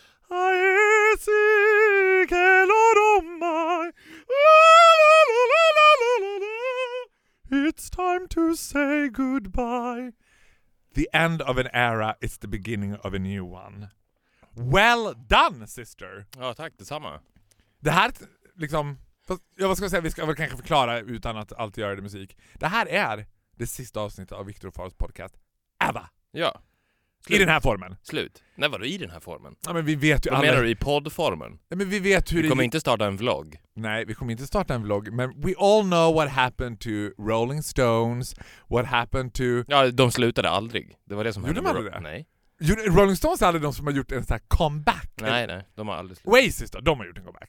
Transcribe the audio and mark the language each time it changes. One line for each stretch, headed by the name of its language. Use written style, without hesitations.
English: I seek a lot of my la, la, la, la, la, la, la. It's time to say goodbye. The end of an era is the beginning of a new one. Well done, sister.
Swedish: Ja, tack, detsamma. Det här liksom, jag vad ska jag säga, vi ska väl kanske förklara utan att alltid göra det musik. Det här är det sista avsnittet av Viktor Faros podcast ever. Ja. Slut. I den här formen. Slut. Nej, vadå i den här formen? Ja, men vi vet ju vad menar du i poddformen? Nej, men vi vet hur vi kommer inte starta en vlogg. Nej, vi kommer inte starta en vlogg.
English: Men we all know what happened to Rolling Stones. What happened to...
Swedish: Ja, de slutade aldrig. Det var det som gjorde hände. Gjorde de aldrig det? Nej. Rolling Stones är aldrig de som har gjort en sån här comeback. Nej, nej. De har aldrig slutat. Oasis då? De har gjort en comeback.